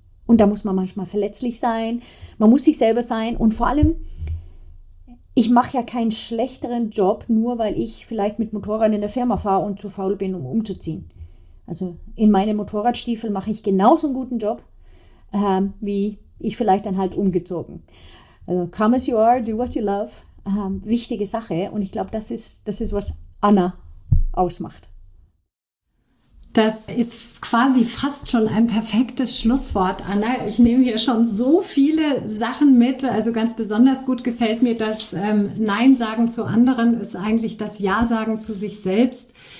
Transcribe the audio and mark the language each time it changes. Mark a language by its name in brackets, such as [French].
[German] Und da muss man manchmal verletzlich sein, man muss sich selber sein. Und vor allem, ich mache ja keinen schlechteren Job, nur weil ich vielleicht mit Motorrad in der Firma fahre und zu faul bin, um umzuziehen. Also in meinen Motorradstiefeln mache ich genauso einen guten Job, wie ich vielleicht dann halt umgezogen. [English] Also come as you are, do what you love, [German] wichtige Sache. Und ich glaube, das ist, was Anna ausmacht. Das ist quasi fast schon ein perfektes Schlusswort, Anna. Ich nehme hier schon so viele Sachen mit. Also ganz besonders gut gefällt mir das Nein sagen zu anderen, ist eigentlich das Ja sagen zu sich selbst.